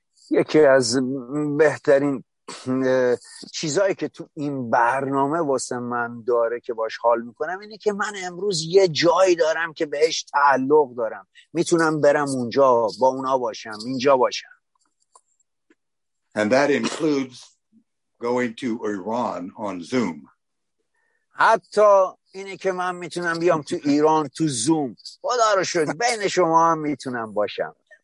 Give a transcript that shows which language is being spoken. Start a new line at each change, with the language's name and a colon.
Persian: یکی از بهترین چیزایی که تو این برنامه واسه من داره که باش حال میکنم اینه که من امروز یه جایی دارم که بهش تعلق دارم، میتونم برم اونجا با اونا باشم، اینجا باشم.
English: And that includes going to Iran on Zoom.
Persian: حتی اینه که من میتونم بیام تو ایران تو زوم، خدا رو شکر بین شما هم میتونم باشم.